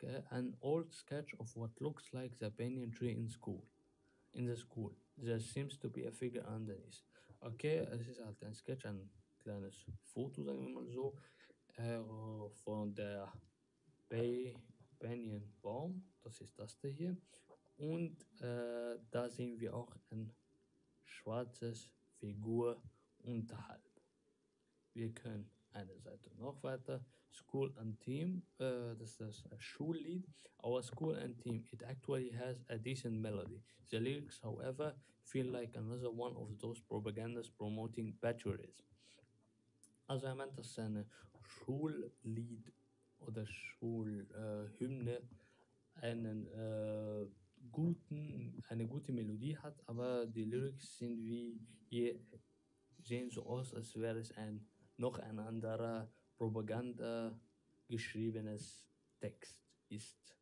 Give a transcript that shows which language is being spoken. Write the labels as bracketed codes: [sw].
[en] An old sketch of what looks like the banyan tree in school. In the school. There seems to be a figure underneath. [de] Okay, es ist halt ein Sketch, ein kleines Foto, sagen wir mal so, von der Banyan Baum. Das ist das da hier. Und da sehen wir auch ein schwarzes Figur unterhalb. Wir können eine Seite noch weiter. School and Team, das ist das Schullied. [en] Our school and team, it actually has a decent melody. The lyrics, however, feel like another one of those propagandas promoting patriotism. [de] Also er meint, dass seine Schullied oder Schulhymne eine gute Melodie hat, aber die Lyrics sind wie hier, sehen so aus, als wäre es ein noch ein anderer Propaganda geschriebenes Text ist.